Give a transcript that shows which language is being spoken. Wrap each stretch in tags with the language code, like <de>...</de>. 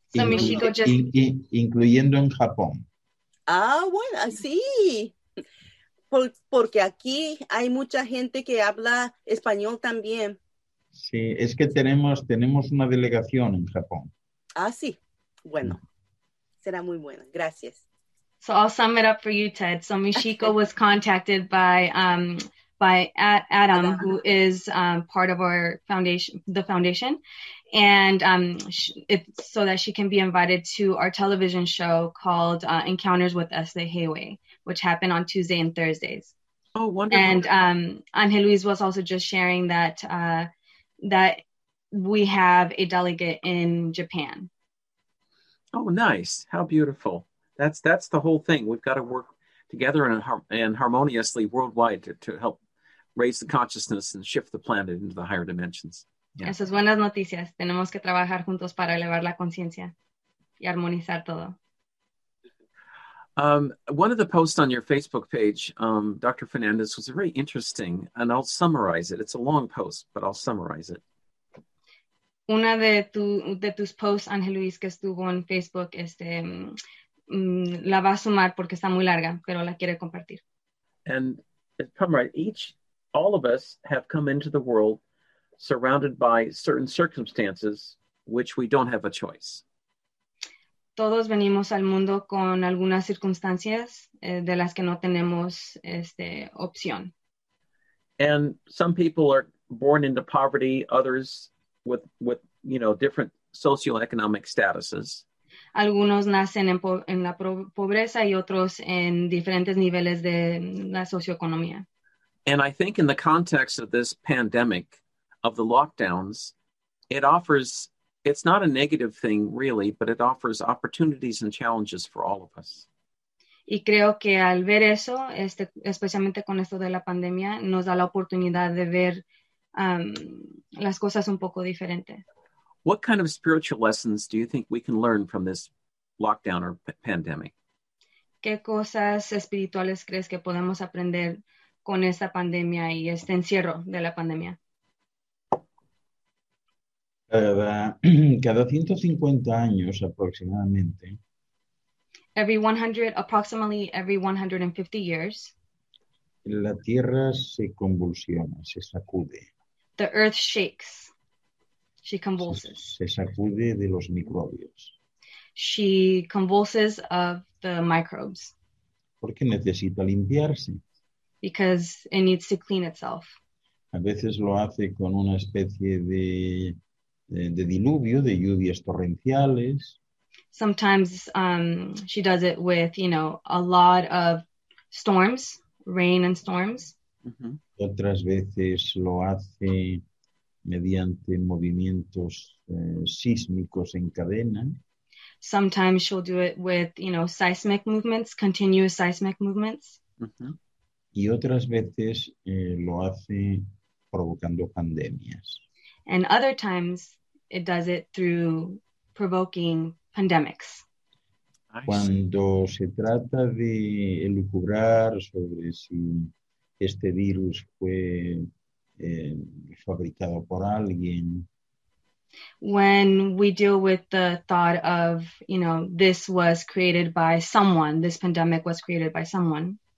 <es>Incluyendo en Japón. Ah, bueno, sí. Porque aquí hay mucha gente que habla español también. Sí, es que tenemos una delegación en Japón. Ah, sí. Bueno, será muy bueno. Gracias.</es> <en>So I'll sum it up for you, Ted. So Michiko was contacted by Adam, who is part of our foundation, the foundation, and it's so that she can be invited to our television show called Encounters with Este Heiwei, which happened on Tuesday and Thursdays. Oh, wonderful. And Angel Luis was also just sharing that that we have a delegate in Japan. Oh, nice. How beautiful. That's the whole thing. We've got to work together and harmoniously worldwide to help raise the consciousness and shift the planet into the higher dimensions. Yeah.</en> <es>Esas buenas noticias. Tenemos que trabajar juntos para elevar la conciencia y armonizar todo.</es> <en>One of the posts on your Facebook page, Dr. Fernandez, was very interesting, and I'll summarize it. It's a long post, but I'll summarize it.</en> <es>Una de tus posts, Ángel Luis, que estuvo en Facebook, la va a sumar porque está muy larga, pero la quiere compartir.</es> <en>And it's come right. Each, all of us have come into the world surrounded by certain circumstances which we don't have a choice.</en> <es>Todos venimos al mundo con algunas circunstancias de las que no tenemos opción.</es> <en>And some people are born into poverty, others with different socioeconomic statuses.</en> <es>Algunos nacen en la pobreza y otros en diferentes niveles de la socioeconomía.</es> <en>And I think in the context of this pandemic, of the lockdowns, it's not a negative thing really, but it offers opportunities and challenges for all of us.</en> <es>Y creo que al ver eso, especialmente con esto de la pandemia, nos da la oportunidad de ver las cosas un poco diferente.</es> <en>What kind of spiritual lessons do you think we can learn from this lockdown or pandemic?</en> <es>¿Qué cosas espirituales crees que podemos aprender con esta pandemia y este encierro de la pandemia? Cada 150 años aproximadamente,</es> <en>Approximately every 150 years,</en> <es>la Tierra se convulsiona, se sacude.</es> <en>the earth shakes. She</en> <es>Se</es> <en>convulses.</en> <es>sacude de los microbios.</es> <en>She convulses of the microbes</en> <es>Porque necesita limpiarse.</es> <en>because it needs to clean itself.</en> <es>A veces lo hace con una especie de diluvio, de lluvias torrenciales.</es> <en>Sometimes she does it with, a lot of storms, rain and storms.</en> <es>Y otras veces lo hace mediante movimientos sísmicos en cadena.</es> <en>Sometimes she'll do it with, seismic movements, continuous seismic movements.</en> <es>Y otras veces lo hace provocando pandemias.</es> <en>And other times it does it through provoking pandemics. I see.</en> <es>Cuando se trata de elucubrar sobre si este virus fue fabricado por alguien.</es> <en>When we deal with the thought of, this was created by someone, this pandemic was created by someone,</en>